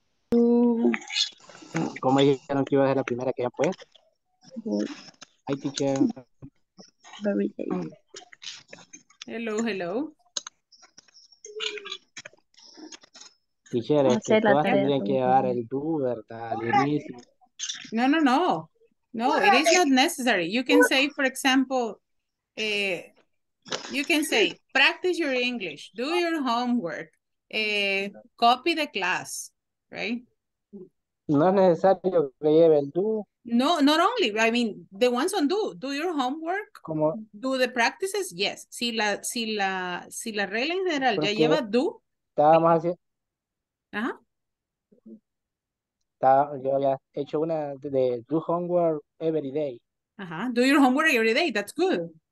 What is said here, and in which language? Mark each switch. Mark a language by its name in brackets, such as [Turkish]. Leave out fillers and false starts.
[Spanish] ¿Cómo dijeron que iba a ser la primera que ya puede? [English] Hi, teacher. Hello. [Spanish] Teacher, todas tendrían que llevar el do, ¿verdad? Al inicio. [English] No. No, it is not necessary. You can say, for example, you can say, practice your English, do your homework. Copy the class, right? [Spanish] No es necesario que lleve el do. [English] No, not only, I mean, the ones on do. Do your homework, [Spanish] ¿cómo? [English] Do the practices, yes. [Spanish] Si la regla en general ya lleva do. Estábamos haciendo. Ajá. Yo había hecho una de [English] do homework every day. Ajá, do your homework every day, that's good.